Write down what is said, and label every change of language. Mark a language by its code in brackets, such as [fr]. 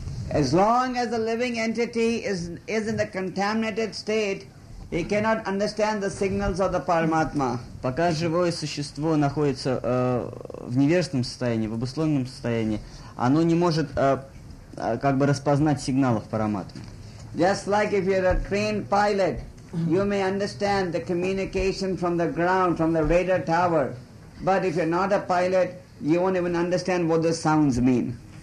[en] As long as the living entity is in the contaminated state, he cannot understand the signals of the Paramatma. [ru] Пока живое существо находится в невежественном состоянии, в обусловленном состоянии, оно не может как бы распознать сигналов Параматмы. [en] Just like if you're a trained pilot, you may understand the communication from the ground, from the radar tower, but if you're not a pilot, you won't even understand what the sounds mean.